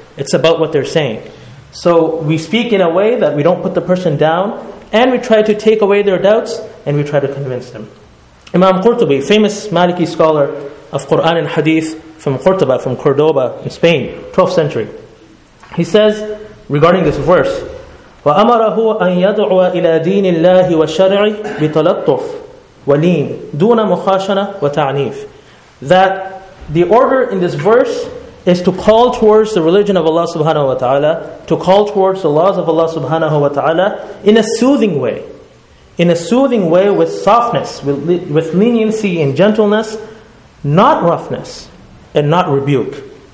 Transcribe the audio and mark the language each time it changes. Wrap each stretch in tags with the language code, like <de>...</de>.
<en>It's about what they're saying. So we speak in a way that we don't put the person down, and we try to take away their doubts, and we try to convince them. Imam Qurtubi, famous Maliki scholar of Quran and Hadith from Qurtuba, from Cordoba in Spain, 12th century. He says, regarding this verse,</en> <ar>وَأَمَرَهُ أَن يَدْعُوَ إِلَى دِينِ اللَّهِ وَالشَّرْعِ بِتَلَطُّفْ وَلِينَ دُونَ مُخَاشَنَةً وَتَعْنِيفٍ.</ar> <en>That the order in this verse is to call towards the religion of Allah subhanahu wa ta'ala, to call towards the laws of Allah subhanahu wa ta'ala in a soothing way, in a soothing way, with softness, with leniency and gentleness, not roughness and not rebuke.</en>